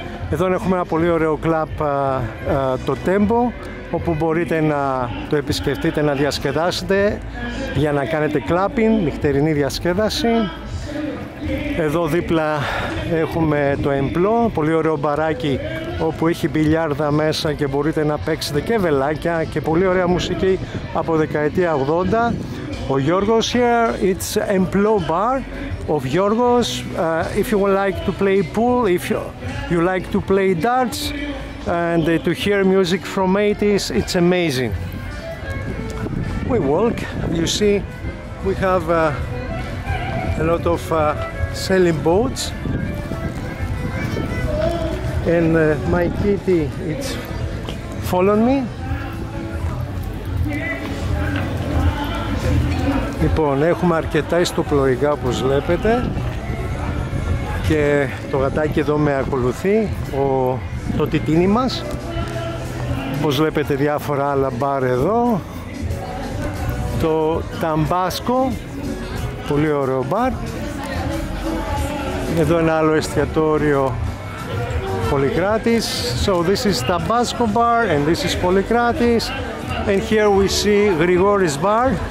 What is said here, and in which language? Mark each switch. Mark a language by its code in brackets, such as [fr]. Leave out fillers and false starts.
[el] Εδώ έχουμε ένα πολύ ωραίο club, το Tempo, όπου μπορείτε να το επισκεφτείτε, να διασκεδάσετε, για να κάνετε clapping, νυχτερινή διασκέδαση. Εδώ δίπλα έχουμε το εμπλό, πολύ ωραίο μπαράκι όπου έχει μπιλιάρδα μέσα και μπορείτε να παίξετε και βελάκια και πολύ ωραία μουσική από δεκαετία 80. [en] Ο Γιώργος here, it's Emplo bar of Γιώργος. If you would like to play pool, if you like to play darts and to hear music from 80s, it's amazing. We walk, you see, we have a lot of sailing boats. And my kitty, it's following me. [el] Λοιπόν, έχουμε αρκετά ιστοπλοϊκά όπως βλέπετε και το γατάκι εδώ με ακολουθεί, το τιτίνι μας. Όπως βλέπετε διάφορα άλλα μπαρ εδώ. Το Ταμπάσκο, πολύ ωραίο μπαρ. Εδώ ένα άλλο εστιατόριο Πολυκράτης. [en] So this is Tabasco bar and this is Polykratis. And here we see Grigoris bar.